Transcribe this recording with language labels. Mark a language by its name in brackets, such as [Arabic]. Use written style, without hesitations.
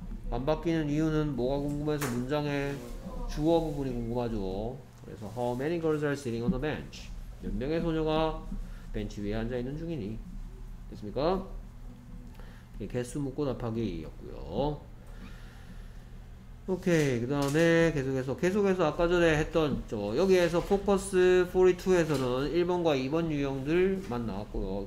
[Korean] 안 바뀌는 이유는 뭐가 궁금해서 문장의 주어 부분이 궁금하죠. 그래서 [English] how many girls are sitting on the bench? [Korean] 몇 명의 소녀가 벤치 위에 앉아있는 중이니? 됐습니까? 개수 묻고 답하기였고요. 오케이. 그 다음에 계속해서 아까 전에 했던 저 여기에서 포커스 42에서는 1번과 2번 유형들만 나왔고요.